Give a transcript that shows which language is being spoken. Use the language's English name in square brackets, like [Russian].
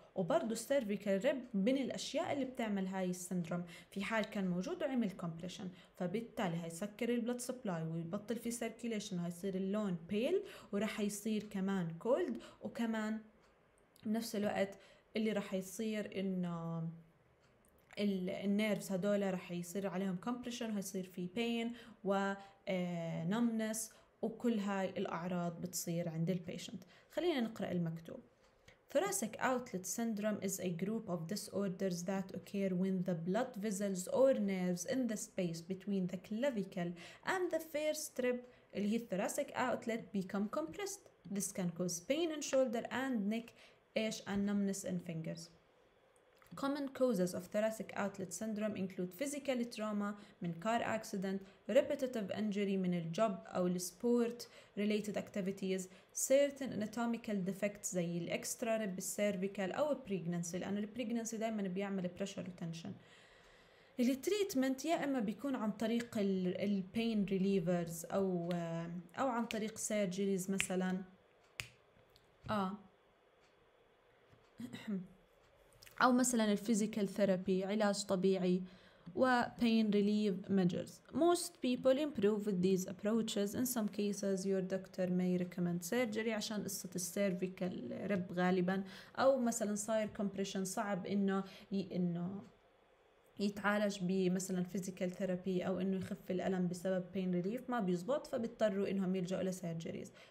[Arabic] وبرضه السيرفيكال ريب من الاشياء اللي بتعمل هاي السندروم في حال كان موجود وعمل كومبريشن، فبالتالي هيسكر البلد سبلاي ويبطل في سيركيليشن وهيصير اللون بيل ورح يصير كمان كولد، وكمان بنفس الوقت اللي رح يصير انه النيرفز هدول رح يصير عليهم كومبريشن هيصير في بين ونمنس وكل هاي الأعراض بتصير عند البيشنت. خلينا نقرأ المكتوب. [English] Thoracic outlet syndrome is a group of disorders that occur when the blood vessels or nerves in the space between the clavicle and the first rib [Arabic] اللي هي [English] thoracic outlet become compressed. This can cause pain in shoulder and neck ish and numbness in fingers. Common causes of thoracic outlet syndrome include physical trauma [Arabic] من [English] car accident, repetitive injury من الجوب أو السبورت related activities, certain anatomical defects [Arabic] زي الاكسترا ريب السيرفيكال أو [English] pregnancy [Arabic] لأن البريجنانسي دائما بيعمل [English] pressure retention. [Arabic] التريتمنت يا إما بيكون عن طريق البين ريليفرز أو عن طريق surgeries مثلا. أو مثلاً الفيزيكال ثيرابي علاج طبيعي و [English] pain relief measures. Most people improve with these approaches. In some cases your doctor may recommend surgery [Arabic] عشان قصة السيرفيكال رب غالباً، أو مثلاً صاير compression صعب إنه يتعالج بمثلاً physical therapy أو إنه يخف الألم بسبب [English] pain relief [Arabic] ما بيزبط، فبيضطروا إنهم يلجأوا لسيرجريز.